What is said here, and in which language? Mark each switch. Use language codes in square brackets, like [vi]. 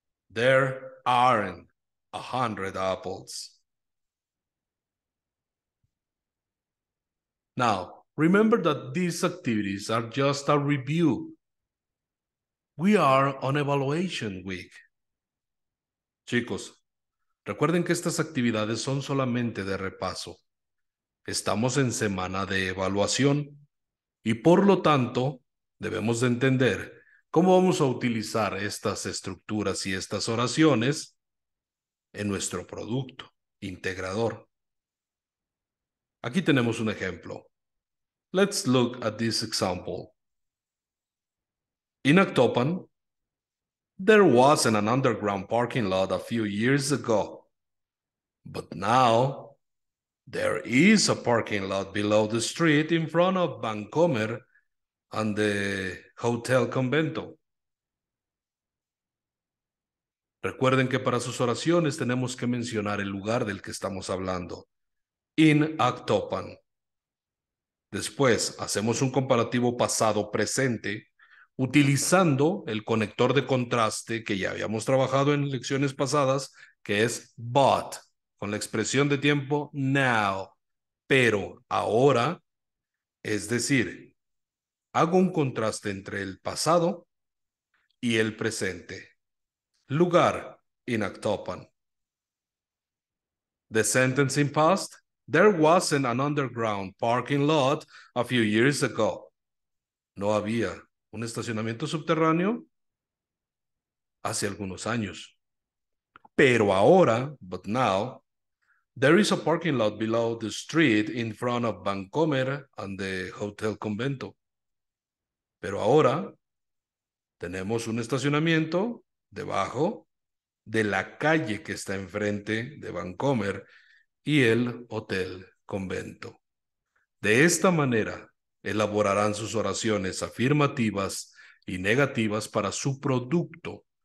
[en] There aren't 100 apples. Now, remember that these activities are just a review. We are on evaluation week. [es] Chicos, recuerden que estas actividades son solamente de repaso. Estamos en semana de evaluación y por lo tanto debemos de entender cómo vamos a utilizar estas estructuras y estas oraciones en nuestro producto integrador. Aquí tenemos un ejemplo. [en] Let's look at this example. In Actopan, there was an underground parking lot a few years ago. But now, there is a parking lot below the street in front of Bancomer and the Hotel Convento. [es] Recuerden que para sus oraciones tenemos que mencionar el lugar del que estamos hablando. In Actopan. Después, hacemos un comparativo pasado-presente utilizando el conector de contraste que ya habíamos trabajado en lecciones pasadas, que es but, con la expresión de tiempo now, pero ahora, es decir, hago un contraste entre el pasado y el presente. Lugar, in Actopan. [en] The sentence in past. There wasn't an underground parking lot a few years ago. [es] No había un estacionamiento subterráneo hace algunos años. Pero ahora, [en] but now, there is a parking lot below the street in front of Bancomer and the Hotel Convento. Pero ahora, [es] Tenemos un estacionamiento debajo de la calle que está enfrente de Vancomer y el Hotel Convento. De esta manera, elaborarán sus oraciones afirmativas y negativas para su producto.